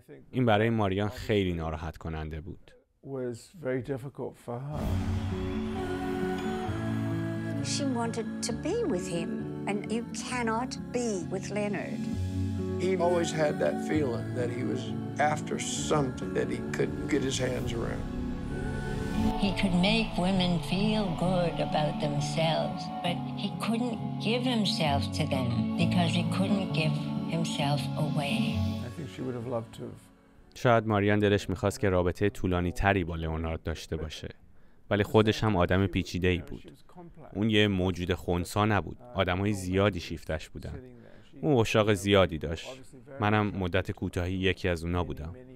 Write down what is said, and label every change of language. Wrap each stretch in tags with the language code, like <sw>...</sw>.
<fa>این برای ماریان خیلی ناراحت کننده بود.</fa> <en>Was very difficult for her. She wanted to be with him, and you cannot be with Leonard. He always had that feeling that he was after something that he couldn't get his hands around. He could make women feel good about themselves, but he couldn't give himself to them because he couldn't give himself away. I think she would have loved to have.</en> <fa>شاید ماریان دلش میخواست که رابطه طولانی تری با لئونارد داشته باشه، ولی خودش هم آدم پیچیده‌ای بود. اون یه موجود خونسا نبود، آدمای زیادی شیفتش بودن. اون عشاق زیادی داشت، منم مدت کوتاهی یکی از اونا بودم.</fa>